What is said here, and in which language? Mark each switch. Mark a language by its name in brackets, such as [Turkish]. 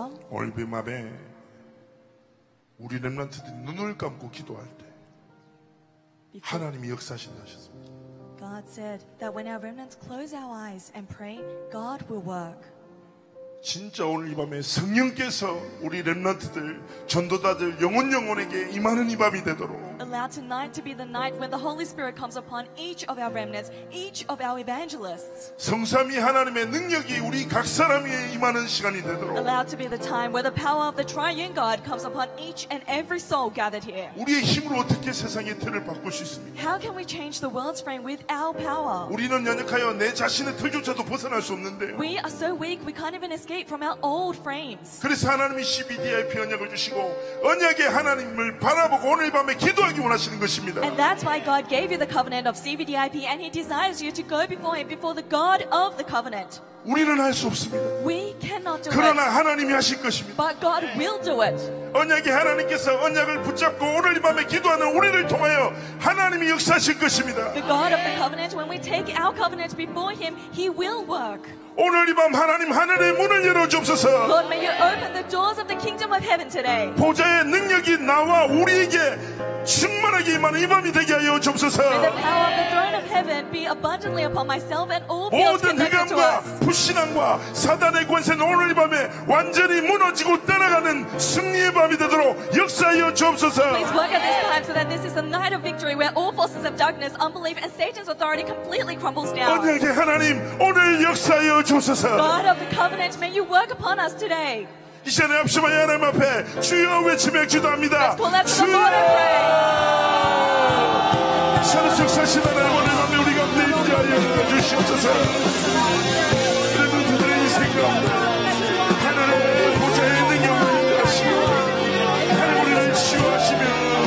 [Korean] 올빔함에 우리 렘넌트들이 눈을 감고 기도할 때 하나님이 역사하신다 하셨습니다. [English] God said that when our remnants close our eyes and pray, God will work. [Korean] 진짜 오늘 이 밤에 성령께서 우리 렘넌트들 전도자들 영혼 영혼에게 임하는 이 밤이 되도록. [English] Allow tonight to be the night when the Holy Spirit comes upon each of our remnants, each of our evangelists. [Korean] 성삼위 하나님의 능력이 우리 각 사람에게 임하는 시간이 되도록. [English] Allow to be the time where the power of the triune God comes upon each and every soul gathered here. [Korean] 우리의 힘으로 어떻게 세상의 틀을 바꿀 수 있습니까? [English] How can we change the world's frame with our power? [Korean] 우리는 연약하여 내 자신의 틀조차도 벗어날 수 없는데. [English] We are so weak we can't even escape from our old frames. [Korean] 그래서 하나님이 CBDIP 언약을 주시고 언약의 하나님을 바라보고 오늘 밤에 기도 [English] And that's why God gave you the covenant of CVDIP and He desires you to go before Him, before the God of the covenant. [Korean] 우리는 할 수 없습니다. [English] We cannot do it. [Korean] 그러나 하나님이 하실 것입니다. [English] But God will do it. [Korean] 언약의 하나님께서 언약을 붙잡고 오늘 이 밤에 기도하는 우리를 통하여 하나님이 역사하실 것입니다. [English] The God of the covenant, when we take our covenant before Him, He will work. [Korean] 오늘 이 밤 하나님 하늘의 문을 열어 주옵소서. [English] Lord, may you open the doors of the kingdom of heaven today. [Korean] 보좌의 능력이 나와 우리에게 충만하게 임하는 이 밤이 되게 하여 주옵소서. [English] May the power of the throne of heaven be abundantly upon myself and all beings. [Korean] 모든 흑암과 불신앙과 사단의 권세는 오늘 이 밤에 완전히 무너지고 떠나가는 승리의 밤이 되도록 역사하여 주옵소서. [English] Please work at this time so that this is the night of victory where all forces of darkness, unbelief, and Satan's authority completely crumbles down. [Korean] 언약의 하나님 오늘 역사하여 [English] God of the covenant, may you work upon us today. [Korean] 이제는 합심하여 하나님 앞에 주여 외치며 기도합니다. [English] Let's call out to the Lord and pray. [Korean] 하나님 역사하신 하나님 오늘 밤에 우리가 내 인자하여 주시옵소서. 그래도 그들의 인생 가운데 하늘의 보좌의 능력을 하시고 하나님 우리를 치유하시며